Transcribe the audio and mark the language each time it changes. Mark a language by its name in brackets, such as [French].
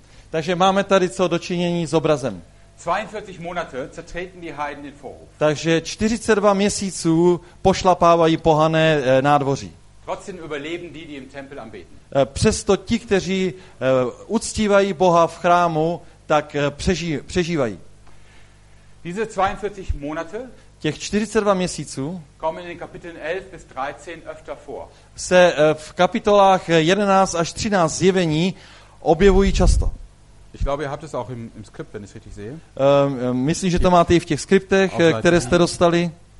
[Czech] Takže máme tady co dočinění s obrazem. [German] 42 Monate zertreten die Heiden den Vorhof. [Czech] Takže 42 měsíců pošlapávají pohané nádvoří. [German] Trotzdem überleben die, die im Tempel anbeten. [Czech] Přesto ti, kteří uctívají Boha v chrámu, tak přežívají. [German] Diese 42 Monate, [Czech] těch 42 měsíců, [German] kommen in den Kapiteln 11 bis 13 öfter vor. [Czech] Se v kapitolách 11 až 13 Zjevení objevují často. [German] Ich glaube, ihr habt es auch im Skript, wenn ich es richtig sehe. [Czech] Myslím, že to máte i v těch skriptech, které jste dostali.